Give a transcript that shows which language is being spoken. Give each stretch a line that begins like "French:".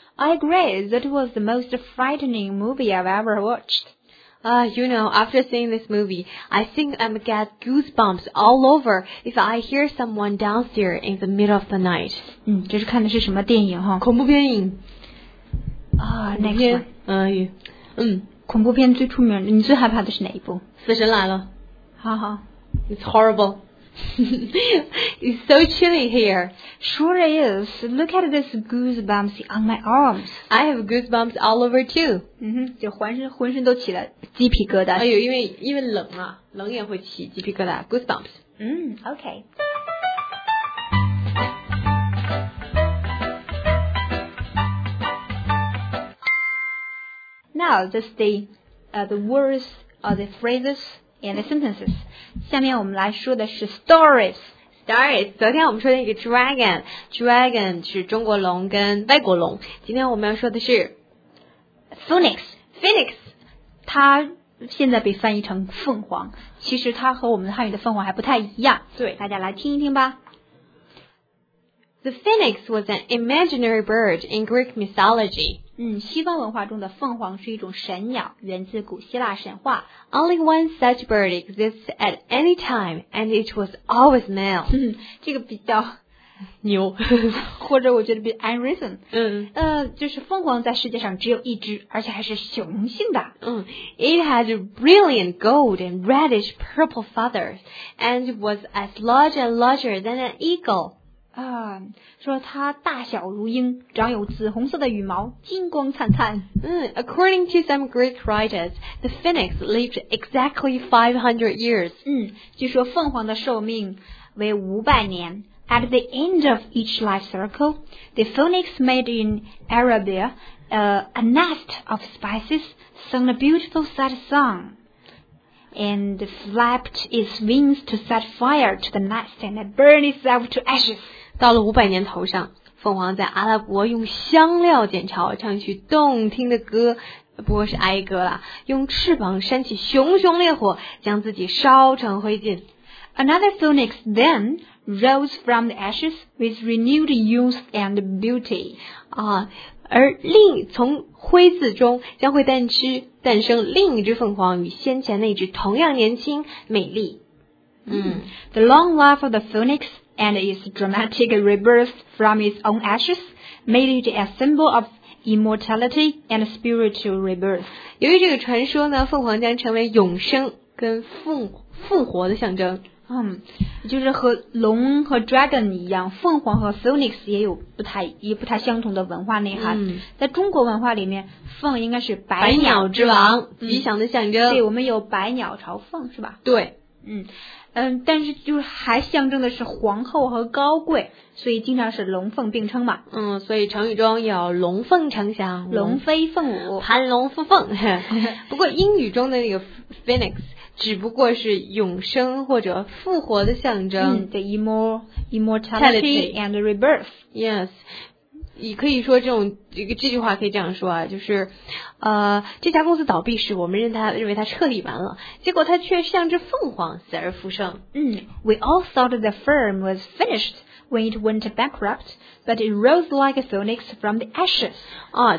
English: I agree, that was the most frightening movie I've ever watched. You know, after seeing this movie, I think I'm get goosebumps all over if I hear someone downstairs in the middle of the night.
Chinese: 这是看的是什么电影哈？恐怖片影。
English: Next one.
Chinese: 恐怖片最出名的，你最害怕的是哪一部？死神来了。哈哈。
English: It's horrible. It's so chilly here. Sure is. Look at this goosebumps on my arms. I have goosebumps all over too.
Chinese: 就浑身都起了鸡皮疙瘩。哎呦，因为冷啊，冷也会起鸡皮疙瘩。
English: Goosebumps. Okay. Now, this day, the words or the phrases and the sentences.
Chinese: 下面我们来说的是 stories. 昨天我们说的一个 dragon 是中国龙跟外国龙，今天我们要说的是 phoenix, 它现在被翻译成凤凰，其实它和我们汉语的凤凰还不太一样。对，大家来听一听吧。
English: The phoenix was an imaginary bird in Greek mythology.
Chinese: 西方文化中的凤凰是一种神鸟，源自古希腊神话。
English: Only one such bird exists at any time, and it was always male.
Chinese: 这个比较牛，或者我觉得比 unreason。就是凤凰在世界上只有一只，而且还是雄性的。
English: It had brilliant gold and reddish purple feathers, and was as large and larger than an eagle.
Chinese: 说它大小如鹰，长有紫红色的羽毛，金光灿灿。
English: According to some Greek writers, the phoenix lived exactly 500 years.
Chinese: 据说凤凰的寿命为500年。
English: At the end of each life cycle, the phoenix made in Arabia, a nest of spices, sung a beautiful sad song. And flapped its wings to set fire to the nest and burn itself to ashes.
Chinese: 到了五百年头上，凤凰在阿拉伯用香料剪桥唱起动听的歌，不过是哀歌啦，用翅膀扇起熊熊烈火，将自己烧成灰烬。
English: Another phoenix then rose from the ashes with renewed youth and beauty.
Chinese: 而另从灰烬中将会诞生另一只凤凰，与先前那只同样年轻美丽。
English: The long life of the phoenix and its dramatic rebirth from its own ashes made it a symbol of immortality and spiritual rebirth.
Chinese: 由于这个传说呢，凤凰将成为永生跟复活的象征。就是和龙和 dragon 一样，凤凰和 phoenix 也不太相同的文化内涵。在中国文化里面，凤应该是百鸟之王，吉祥的象征。对，我们有百鸟朝凤，是吧？对。但是就是还象征的是皇后和高贵，所以经常是龙凤并称嘛。所以成语中有龙凤呈祥、龙飞凤舞、盘龙附凤。不过英语中的那个 phoenix。只不过是永生或者复活的象征。
English: The immortality and rebirth. Yes.
Chinese: 你可以说这句话可以这样说啊，就是这家公司倒闭时我们认为它彻底完了，结果它却像只凤凰死而复生。
English: We all thought the firm was finished when it went bankrupt, but it rose like a phoenix from the ashes.